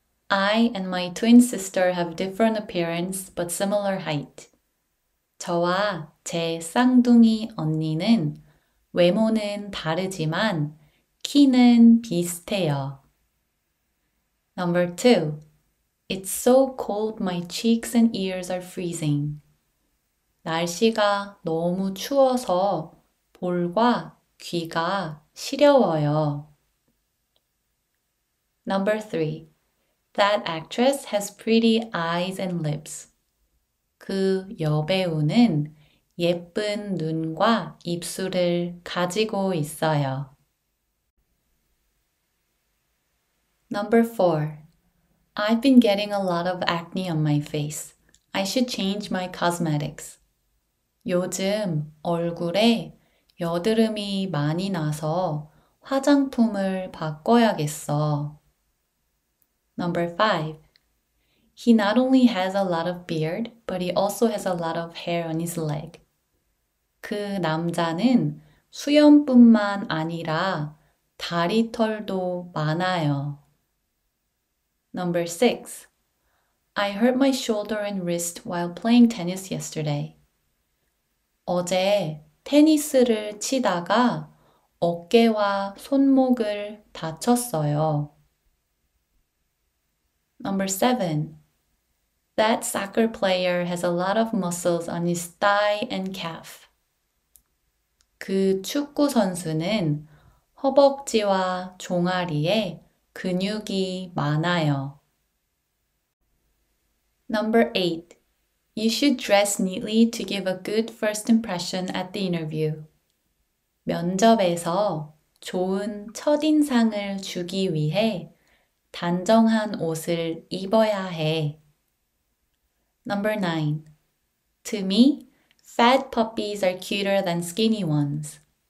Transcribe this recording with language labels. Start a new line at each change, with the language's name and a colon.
English: I and my twin sister have different appearance but similar height.
Korean: 저와 제 쌍둥이 언니는 외모는 다르지만 키는 비슷해요.
English: Number 2. It's so cold, my cheeks and ears are freezing.
Korean: 날씨가 너무 추워서 볼과 귀가 시려워요.
English: Number 3. That actress has pretty eyes and lips.
Korean: 그 여배우는 예쁜 눈과 입술을 가지고 있어요.
English: Number 4. I've been getting a lot of acne on my face. I should change my cosmetics.
Korean: 요즘 얼굴에 여드름이 많이 나서 화장품을 바꿔야겠어.
English: Number 5. He not only has a lot of beard, but he also has a lot of hair on his leg.
Korean: 그 남자는 수염뿐만 아니라 다리털도 많아요.
English: Number 6. I hurt my shoulder and wrist while playing tennis yesterday.
Korean: 어제 테니스를 치다가 어깨와 손목을 다쳤어요.
English: Number 7. That soccer player has a lot of muscles on his thigh and calf.
Korean: 그 축구 선수는 허벅지와 종아리에 근육이 많아요.
English: Number 8. You should dress neatly to give a good first impression at the interview.
Korean: 면접에서 좋은 첫인상을 주기 위해 단정한 옷을 입어야 해.
English: Number 9. To me, fat puppies are cuter than skinny ones.